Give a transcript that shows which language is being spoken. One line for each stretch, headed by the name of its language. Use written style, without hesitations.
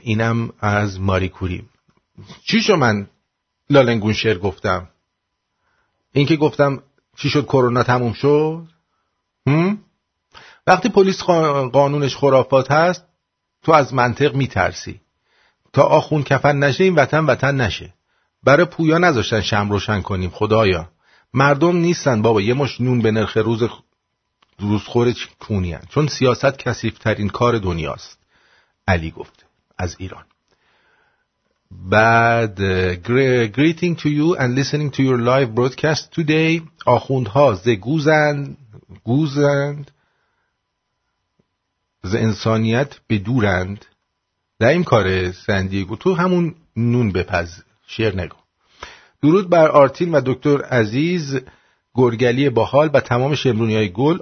Persian: اینم از ماری کوری. چی شو من لالنگون شعر گفتم؟ این که گفتم چی شد کرونا تموم شد؟ وقتی پلیس قانونش خرافات هست تو از منطق میترسی. تا آخون کفن نشه این وطن وطن نشه. برای پویا نذاشتن شمع روشن کنیم، خدایا مردم نیستن بابا، یه مش نون به نرخ روز روزخور کونی هست. چون سیاست کثیف‌ترین کار دنیاست. علی گفته از ایران.
English: بعد greeting to you and listening to your live broadcast today.
Persian: آخوندها زگوزن گوزند، ز انسانیت به دورند. در این کار سندیگو تو همون نون بپز، شعر نگو. درود بر آرتین و دکتر عزیز گرگلی باحال و تمام شمرونی های گل.